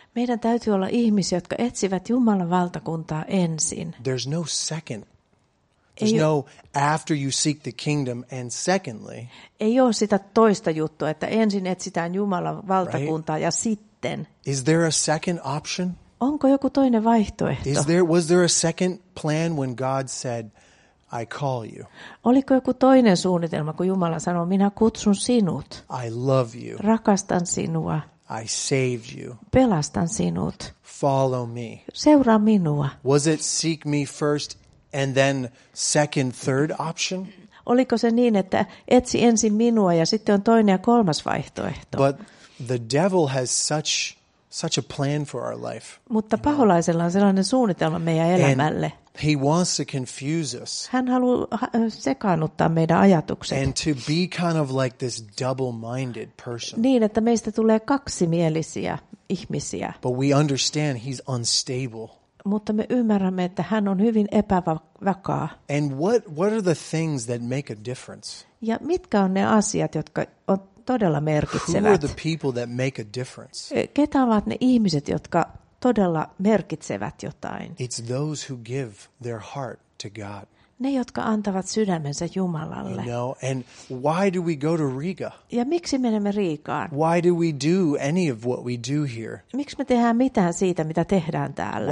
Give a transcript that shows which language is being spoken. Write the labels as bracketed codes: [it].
[fi] Meidän täytyy olla ihmisiä, jotka etsivät Jumalan valtakuntaa ensin. [en] There's no second. There's no after you seek the kingdom and secondly. [fi] Ei ole sitä toista juttua, että ensin etsitään Jumalan valtakuntaa ja sitten. [en] Is there a second option? [fi] Onko joku toinen vaihtoehto? [en] Was there a second plan when God said, I call you? [fi] Oliko joku toinen suunnitelma, kun Jumala sanoi, minä kutsun sinut. [en] I love you. [fi] Rakastan sinua. [en] I saved you. [fi] Pelastan sinut. [en] Follow me. [fi] Seuraa minua. [en] Was it seek me first and then second, third option? [fi] Oliko se niin, että etsi ensin minua ja sitten on toinen ja kolmas vaihtoehto? [en] But the devil has such a plan for our life. [fi] Mutta paholaisella on sellainen suunnitelma meidän elämälle. [en] He wants to confuse us. [fi] Hän haluaa sekaannuttaa meidän ajatukset. [en] And to be kind of like this double-minded person. [fi] Niin, että meistä tulee kaksimielisiä ihmisiä. [en] But we understand he's unstable. [fi] Mutta me ymmärrämme, että hän on hyvin epävakaa. [en] And what are the things that make a difference? [fi] Ja mitkä on ne asiat, jotka on todella merkitsevät. [en] Who are the people that make a difference? [fi] Ketä ovat ne ihmiset, jotka todella merkitsevät jotain? [en] It's those who give their heart to God. [fi] Ne, jotka antavat sydämensä Jumalalle. [en] You know, and why do we go to Riga? [fi] Ja miksi menemme Riikaan? [en] Why do we do any of what we do here? [fi] Miksi me tehdään mitään siitä, mitä tehdään täällä?